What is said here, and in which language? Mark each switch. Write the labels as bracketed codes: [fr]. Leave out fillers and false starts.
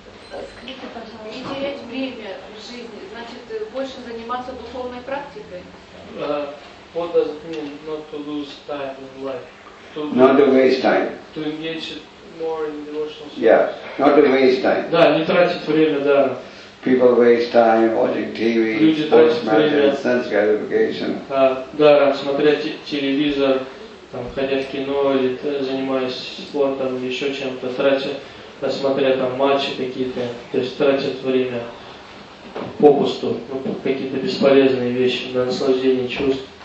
[ru] Скажите, пожалуйста, не терять время в жизни, значит, больше заниматься духовной практикой? [en] What does it mean not to lose time in life? Not to waste time. To engage it more in devotional service. Yeah, not to waste time. [ru] Да, не тратить время, да. [en] People waste time watching TV, sports matches, sense gratification. [ru] Да, смотреть телевизор, там, ходя в кино или занимаясь спортом, еще чем-то, тратя, смотря там матчи какие-то, то есть тратят время попусту, ну, какие-то бесполезные вещи для наслаждения чувств.